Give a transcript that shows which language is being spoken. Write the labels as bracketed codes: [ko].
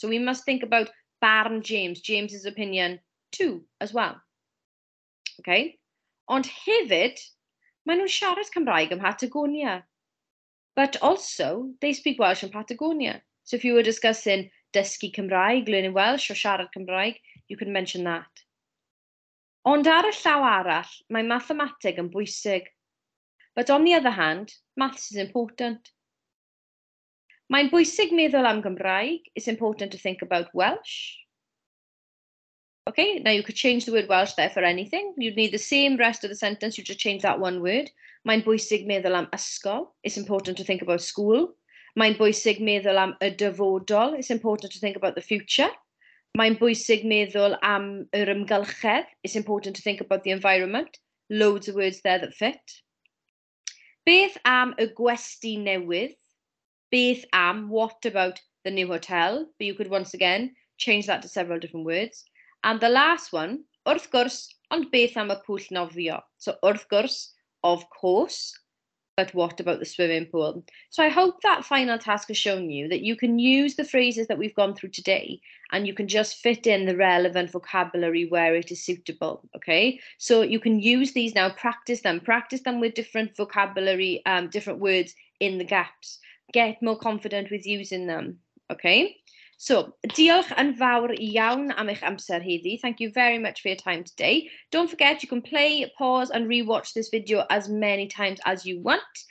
[en] So we must think about barn James. James's opinion too, as well. Okay. [cy] Ond hefyd, maen nhw'n siarad Cymraeg ym Patagonia. [en] But also, they speak Welsh in Patagonia. So if you were discussing [cy] dysgu Cymraeg, [en] learning Welsh, or [cy] siarad Cymraeg, [en] you could mention that. [cy] Ond ar y llaw arall, mae mathemateg yn bwysig. [en] But on the other hand, maths is important. [cy] Mae'n bwysig meddwl am Gymraeg, [en] it's important to think about Welsh. Okay, now you could change the word Welsh there for anything. You'd need the same rest of the sentence, you'd just change that one word. [cy] Mae'n bwysig meddwl am ysgol, [en] it's important to think about school. [cy] Mae'n bwysig meddwl am y dyfodol. [en] It's important to think about the future. [cy] Mae'n bwysig meddwl am yr ymgylchedd. [en] It's important to think about the environment. Loads of words there that fit. [cy] Beth am y gwesti newydd? Beth am, [en] what about the new hotel? But you could once again change that to several different words. And the last one, [cy] wrth gwrs, ond beth am y pwll nofio? [en] So [cy] wrth gwrs, [en] of course. But what about the swimming pool? So I hope that final task has shown you that you can use the phrases that we've gone through today and you can just fit in the relevant vocabulary where it is suitable, okay? So you can use these now, practice them with different vocabulary, different words in the gaps. Get more confident with using them, okay? [cy] So, diolch yn fawr iawn am eich amser heddi. [en] Thank you very much for your time today. Don't forget, you can play, pause and re-watch this video as many times as you want.